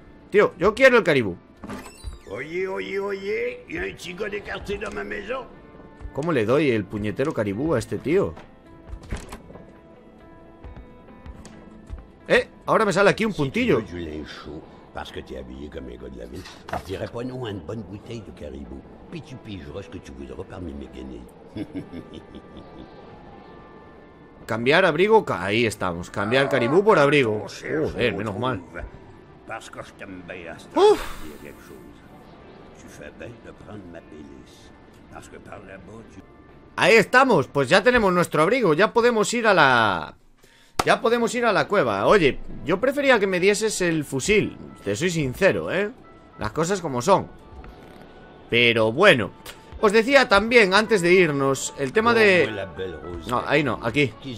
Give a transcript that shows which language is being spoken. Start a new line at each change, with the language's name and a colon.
Spanish: Tío, yo quiero el caribú. Oye, oye, oye, y el chico de cartera me mello. ¿Cómo le doy el puñetero caribú a este tío? Ahora me sale aquí un puntillo.
French: Parce que t'es habillé comme un gars de la ville, je dirais pas non à une bonne bouteille de caribou. Puis tu pigeras ce que tu voudras parmi mes guenilles.
Spanish: Cambiar abrigo, ahí estamos. Cambiar caribou por abrigo. Joder, menos mal.
French: Parce que je t'aime bien à ce dire quelque chose. Tu fais bien de prendre ma pelisse. Parce que par là-bas, tu...
Spanish: Ahí estamos, pues ya tenemos nuestro abrigo. Ya podemos ir a la... Ya podemos ir a la cueva. Oye, yo prefería que me dieses el fusil. Te soy sincero, ¿eh? Las cosas como son. Pero bueno, os decía también, antes de irnos, el tema de... No, ahí no, aquí.